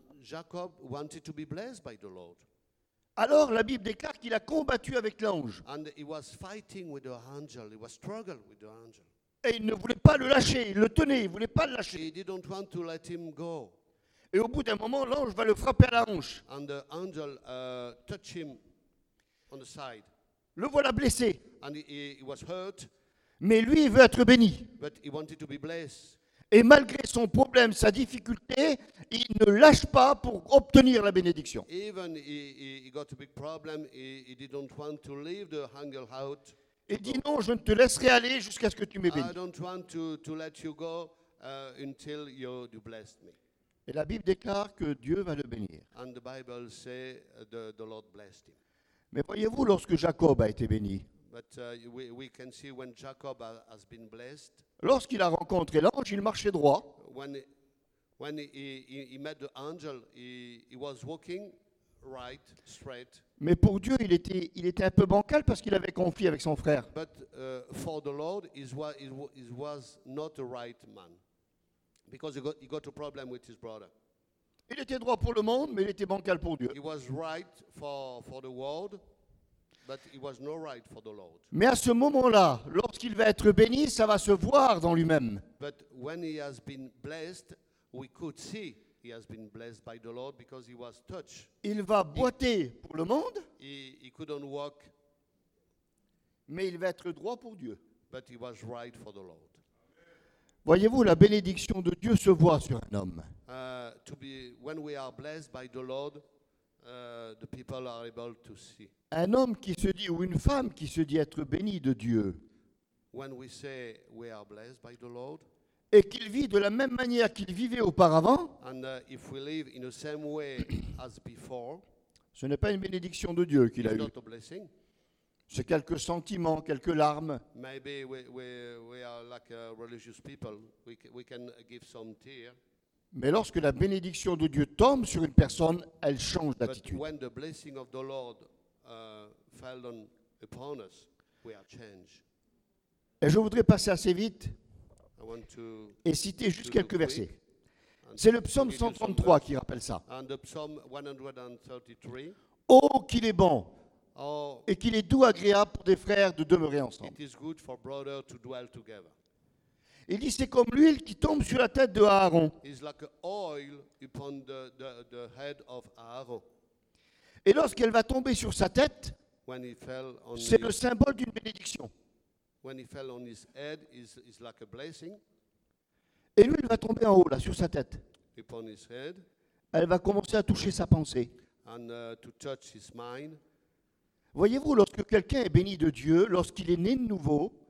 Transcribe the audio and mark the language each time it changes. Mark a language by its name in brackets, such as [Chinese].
[English] Jacob wanted to be blessed by the Lord. [French] Alors la Bible déclare qu'il a combattu avec l'ange. [English] And he was fighting with the angel. He was struggling with the angel. [French] Et il ne voulait pas le lâcher. Il le tenait. Il voulait pas le lâcher. [English] He didn't want to let him go. [French] Et au bout d'un moment, l'ange va le frapper à la hanche. [English] And the angel touch him on the side. [French] Le voilà blessé. [English] And he was hurt. [French] Mais lui, il veut être béni. [English] But he wanted to be blessed. [French] Et malgré son problème, sa difficulté, il ne lâche pas pour obtenir la bénédiction. [English] Even he got a big problem, he didn't want to leave the angel out. [French] Et dit non, je ne te laisserai aller jusqu'à ce que tu m'aies béni. [English] I don't want to let you go until you bless me. [French] Et la Bible déclare que Dieu va le bénir. [English] And the Bible says the Lord blessed him. [French] Mais voyez-vous, lorsque Jacob a été béni, [English] we can see when Jacob has been blessed, [French] lorsqu'il a rencontré l'ange, il marchait droit. [English] When he met the angel, he was walking right, straight. [French] Mais pour Dieu, il était un peu bancal parce qu'il avait conflit avec son frère. [English] But for the Lord, he was not a right man. Because he got a problem with his brother. [French] Il était droit pour le monde, mais il était bancal pour Dieu. [English] He was right for the world, but he was not right for the Lord. [French] Mais à ce moment-là, lorsqu'il va être béni, ça va se voir dans lui-même. [English] But when he has been blessed, we could see he has been blessed by the Lord because he was touched. [French] Il va boiter pour le monde. [English] He couldn't walk. [French] Mais il va être droit pour Dieu. [English] But he was right for the Lord. [French] Voyez-vous, la bénédiction de Dieu se voit sur un homme. [English] When we are blessed by the Lord, the people are able to see. [French] Un homme qui se dit, ou une femme qui se dit être bénie de Dieu. [English] When we say we are blessed by the Lord, [French] et qu'il vit de la même manière qu'il vivait auparavant. [English] And if we live in the same way as before, [French] ce n'est pas une bénédiction de Dieu qu'il a eue. [English] Not a blessing. [French] C'est quelques sentiments, quelques larmes. [English] Maybe we are like a religious people. We can give some tear. [French] Mais lorsque la bénédiction de Dieu tombe sur une personne, elle change d'attitude. [English] But when the blessing of the Lord fell upon us, we are changed. [French] Et je voudrais passer assez vite et citer juste quelques versets. C'est le psaume 133 qui rappelle ça. [English] And the psalm 133. [French] Oh, qu'il est bon. Oh, et qu'il est doux, agréable pour des frères de demeurer ensemble. [English] It is good for brother to dwell together. [French] Il dit, c'est comme l'huile qui tombe sur la tête de Aaron. [English] It's like oil upon the head of Aaron. [French] Et lorsqu'elle va tomber sur sa tête, [English] when he fell on [French] c'est [English] his, [French] le symbole d'une bénédiction. [English] When he fell on his head, it's like a blessing. [French] Et l'huile va tomber en haut, là, sur sa tête. [English] Upon his head, [French] elle va commencer à toucher sa pensée. [English] And, to touch his mind. [French] Voyez-vous, lorsque quelqu'un est béni de Dieu, lorsqu'il est né de nouveau,